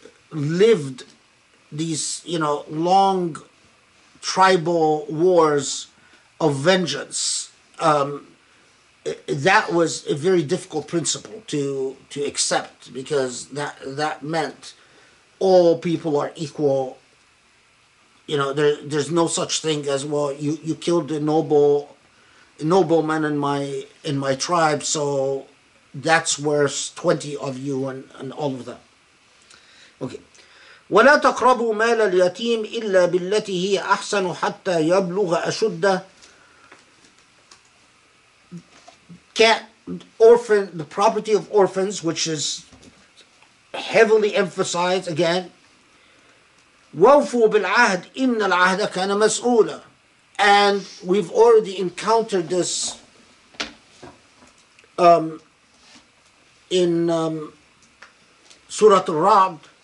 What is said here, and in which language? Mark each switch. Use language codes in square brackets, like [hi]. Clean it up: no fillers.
[en] lived these, you know, long tribal wars of vengeance, that was a very difficult principle to accept, because that meant all people are equal. You know, there's no such thing as, well, you killed a nobleman in my tribe, so that's worse, 20 of you and all of them. Okay. [ar] ولا تقربوا مال اليتيم إلا بالتي هي أحسن حتى يبلغ أشده. [en] The property of orphans, which is heavily emphasized again. [ar] وَوْفُوا بِالْعَهْدِ إِنَّ الْعَهْدَ كَانَ مَسْؤُولًا. [en] And we've already encountered this in Surah Al-Ra'd.